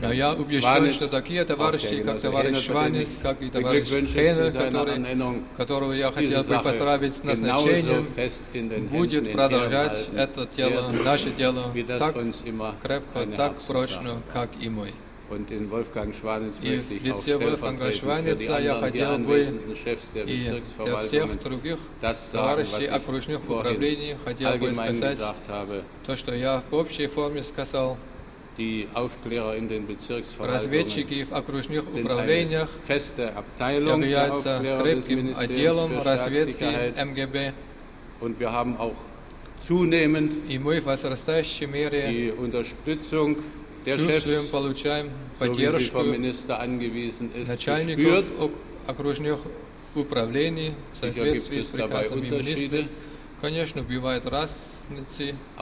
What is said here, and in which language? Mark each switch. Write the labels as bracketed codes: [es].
[ru] но я убежден, что такие товарищи, как товарищ Шванитц, как и товарищ Хенер, которого я хотел бы поздравить с назначением, будет продолжать это дело, наше дело, так крепко, так прочно, как и мой. [de] Und in Wolfgang Schwanitz möchte ich auch stellvertretend für die anderen, die anwesenden Chefs der Bezirksverwaltungen, das sagen, was ich vorhin allgemein gesagt habe, [ru] то, что я в общей форме сказал, [de] die Aufklärer in den Bezirksverwaltungen sind eine feste Abteilung der Aufklärer des Ministeriums für Staatssicherheit, und wir haben auch zunehmend die Unterstützung [ru] чувствуем, получаем поддержку начальников окружных управлений в соответствии с приказами министра. Конечно, бывают разницы